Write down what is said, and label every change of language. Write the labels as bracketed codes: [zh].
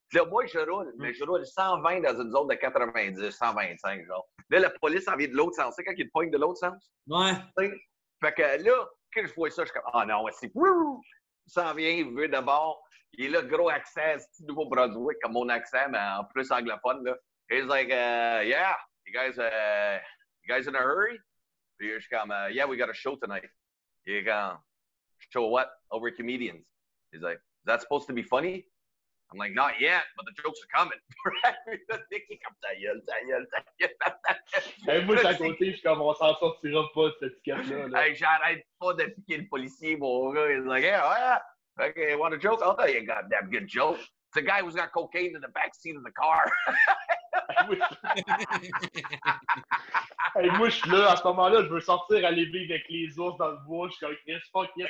[fr] Là, moi, je roule, mais je roule 120 dans une zone de 90, 125, genre. Là, la police en vient de l'autre sens. Tu sais quand il te pogne de l'autre sens? Ouais. T'sais? Fait que là, quand je vois ça, je suis comme, ah non, c'est wouh! S'en vient, il veut d'abord. Il a le gros accès, c'est nouveau Brunswick, comme mon accent, mais en plus anglophone, là. [en] He's like, yeah, you guys in a hurry? [fr] Puis je suis comme, [en] yeah, we got a show tonight. [fr] Il est comme, [en] show what? Over comedians. He's like, is that supposed to be funny? I'm like, not yet, but the jokes are coming. [fr] Nicky, comme ta gueule. Moi, j'ai à côté, je suis comme, on s'en sortira pas de cette ticket-là. Hey, j'arrête pas de piquer le policier, mon gars. [en] He's like, yeah, oh, yeah. Okay, you want a joke? I'll tell you a goddamn good joke. It's a guy who's got cocaine in the back seat of the car. [fr] Hey, moi, je suis là, à ce moment-là, je veux sortir aller vivre avec les ours dans le bois. Je suis comme, Chris, [en] fuck, yes,